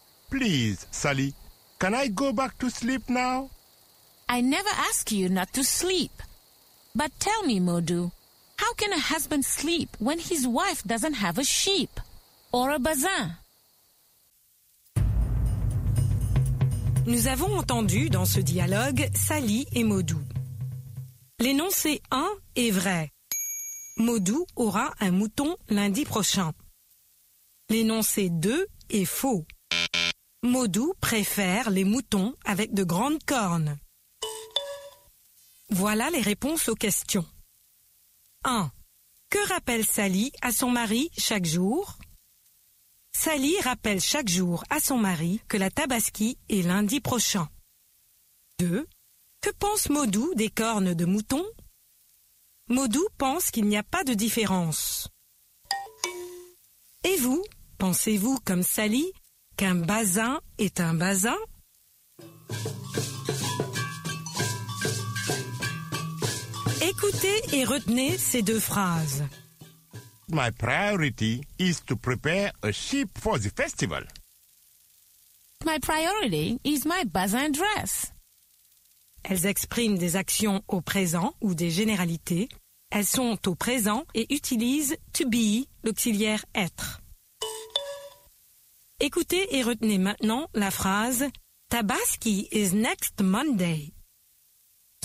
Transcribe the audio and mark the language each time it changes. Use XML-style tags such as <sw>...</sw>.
<en>Please, Sally, can I go back to sleep now? I never ask you not to sleep. But tell me, Modou, how can a husband sleep when his wife doesn't have a sheep or a bazin?</en> <fr>Nous avons entendu dans ce dialogue Sally et Modou. L'énoncé 1 est vrai. Modou aura un mouton lundi prochain. L'énoncé 2 est faux. Modou préfère les moutons avec de grandes cornes. Voilà les réponses aux questions. 1. Que rappelle Sally à son mari chaque jour? Sally rappelle chaque jour à son mari que la Tabaski est lundi prochain. 2. Que pense Modou des cornes de mouton? Modou pense qu'il n'y a pas de différence. Et vous, pensez-vous comme Sally qu'un bazin est un bazin? Écoutez et retenez ces deux phrases.</fr> <en>My priority is to prepare a sheep for the festival. My priority is my bazin dress.</en> <fr>Elles expriment des actions au présent ou des généralités. Elles sont au présent et utilisent « to be », l'auxiliaire « être ». Écoutez et retenez maintenant la phrase «</fr> <en>Tabaski is next Monday ».</en>